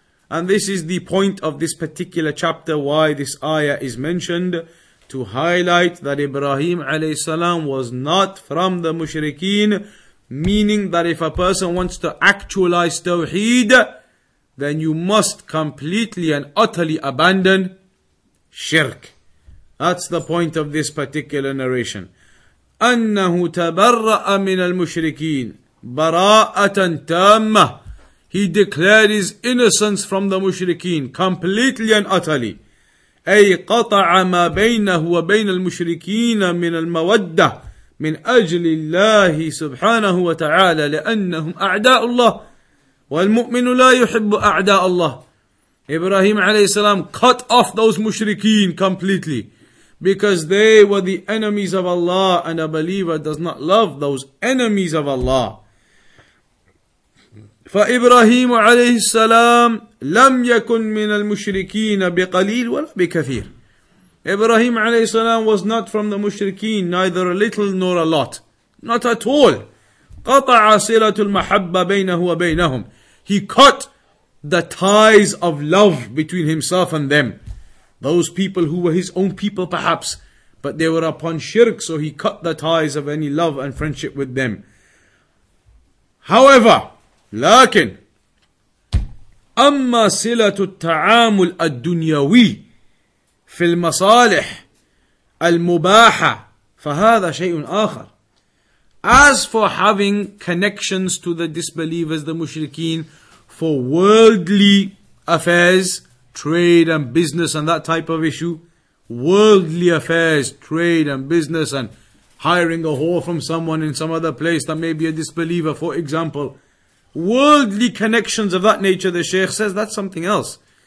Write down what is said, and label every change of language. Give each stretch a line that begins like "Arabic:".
English: And this is the point of this particular chapter, why this ayah is mentioned, to highlight that Ibrahim alayhi salam was not from the mushrikeen, meaning that if a person wants to actualize Tawheed, then you must completely and utterly abandon shirk. That's the point of this particular narration.
Arabic: أَنَّهُ تَبَرَّأَ مِنَ الْمُشْرِكِينَ بَرَاءَةً تَامَّةً.
English: He declared his innocence from the mushrikeen completely and utterly.
Arabic: أي قطع ما بينه وبين المشركين من المودة من أجل الله سبحانه وتعالى لأنهم أعداء الله والمؤمن لا يحب أعداء الله.
English: Ibrahim عليه السلام cut off those mushrikeen completely because they were the enemies of Allah, and a believer does not love those enemies of Allah.
Arabic: فإبراهيم عليه السلام لم يكن من المشركين بقليل ولا بكثير.
English: Ibrahim عليه السلام was not from the mushrikeen, neither a little nor a lot. Not at all.
Arabic: قطع صلة المحبة بينه وبينهم.
English: He cut the ties of love between himself and them. Those people who were his own people perhaps, but they were upon shirk, so he cut the ties of any love and friendship with them. However,
Arabic: لكن أما صلة التعامل الدنيوي في المصالح المباحة فهذا شيء آخر.
English: As for having connections to the disbelievers, the mushrikeen, for worldly affairs, trade and business and that type of issue, worldly affairs, trade and business and hiring a whore from someone in some other place that may be a disbeliever, for example, worldly connections of that nature, the Shaykh says, that's something else.